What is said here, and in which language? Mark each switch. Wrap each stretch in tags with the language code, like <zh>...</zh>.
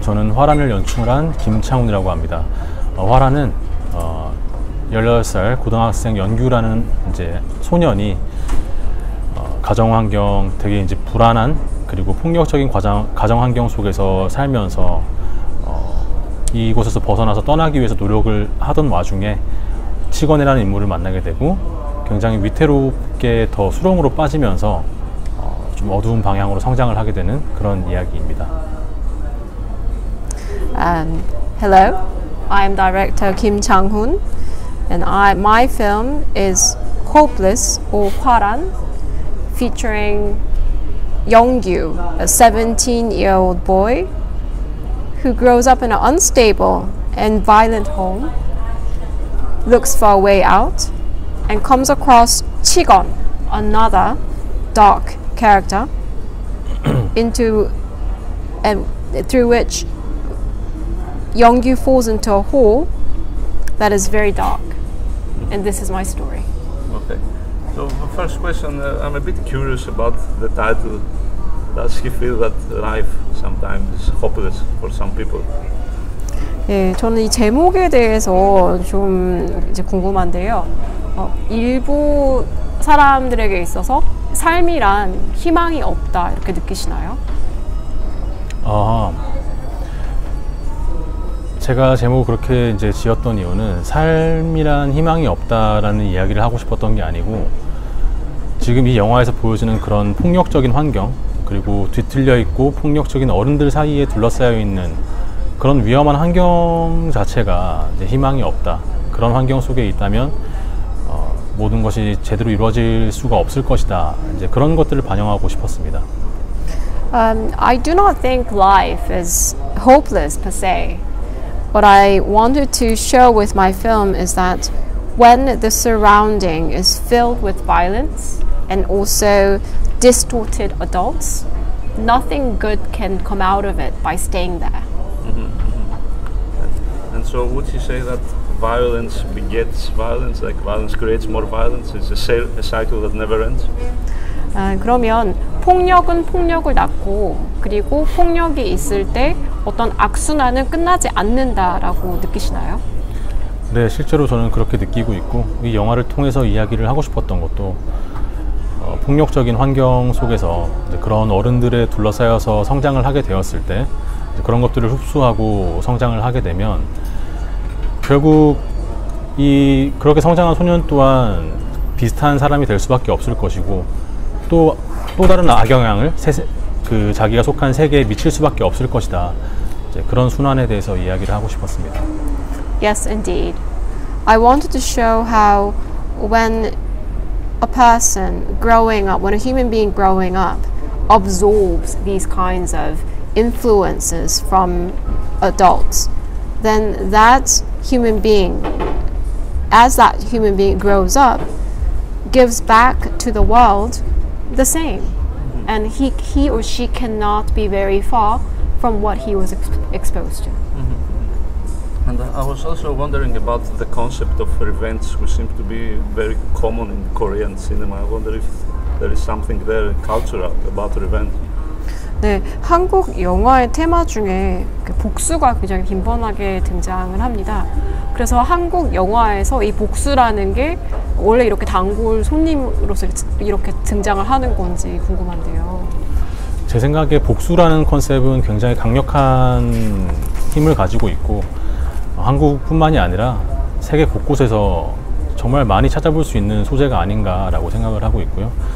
<ko>저는 화란을 연출을 한 김창훈이라고 합니다. 화란은 18살 고등학생 연규라는 이제 소년이 가정환경 되게 이제 불안한 그리고 폭력적인 가정환경 속에서 살면서 이곳에서 벗어나서 떠나기 위해서 노력을 하던 와중에 직원이라는 인물을 만나게 되고 굉장히 위태롭게 더 수렁으로 빠지면서 좀 어두운 방향으로 성장을 하게 되는 그런 이야기입니다.</ko> <en>Hello, I'm director Kim Chang-hoon, and my film is Hopeless or 화란, featuring Yonggyu, a 17-year-old boy who grows up in an unstable and violent home, looks for a way out, and comes across Chigon, another dark character, through which Yonggyu falls into a hole that is very dark. And this is my story. Okay. So the first question, I'm a bit curious about the title. Does he feel that life sometimes is hopeless for some people?</en> <ko>예, 저는 이 제목에 대해서 좀 이제 궁금한데요. 일부 사람들에게 있어서 삶이란 희망이 없다 이렇게 느끼시나요? 제가 제목을 그렇게 이제 지었던 이유는 삶이란 희망이 없다라는 이야기를 하고 싶었던 게 아니고 지금 이 영화에서 보여지는 그런 폭력적인 환경 그리고 뒤틀려 있고 폭력적인 어른들 사이에 둘러싸여 있는 그런 위험한 환경 자체가 이제 희망이 없다. 그런 환경 속에 있다면 모든 것이 제대로 이루어질 수가 없을 것이다. 이제 그런 것들을 반영하고 싶었습니다.</ko> <en>I do not think life is hopeless per se. What I wanted to show with my film is that when the surrounding is filled with violence and also distorted adults, nothing good can come out of it by staying there. Mm-hmm. And so would you say that violence begets violence, like violence creates more violence? It's a cycle that never ends?</en> <ko>그러면 폭력은 폭력을 낳고 그리고 폭력이 있을 때 어떤 악순환은 끝나지 않는다라고 느끼시나요? 네, 실제로 저는 그렇게 느끼고 있고 이 영화를 통해서 이야기를 하고 싶었던 것도 폭력적인 환경 속에서 이제 그런 어른들에 둘러싸여서 성장을 하게 되었을 때 이제 그런 것들을 흡수하고 성장을 하게 되면 결국 이 그렇게 성장한 소년 또한 비슷한 사람이 될 수밖에 없을 것이고 또 다른 악영향을 그 자기가 속한 세계에 미칠 수밖에 없을 것이다. 이제 그런 순환에 대해서 이야기를 하고 싶었습니다.</ko> <en>Yes, indeed. I wanted to show how when a person growing up, when a human being growing up absorbs these kinds of influences from adults, then that human being, as that human being grows up, gives back to the world the same. And he or she cannot be very far from what he was exposed to. Mm-hmm. And I was also wondering about the concept of revenge, which seems to be very common in Korean cinema. I wonder if there is something there cultural about revenge.</en> <ko>네, 한국 영화의 테마 중에 복수가 굉장히 빈번하게 등장을 합니다. 그래서 한국 영화에서 이 복수라는 게 원래 이렇게 단골 손님으로서 이렇게 등장을 하는 건지 궁금한데요. 제 생각에 복수라는 컨셉은 굉장히 강력한 힘을 가지고 있고 한국뿐만이 아니라 세계 곳곳에서 정말 많이 찾아볼 수 있는 소재가 아닌가라고 생각을 하고 있고요.</ko>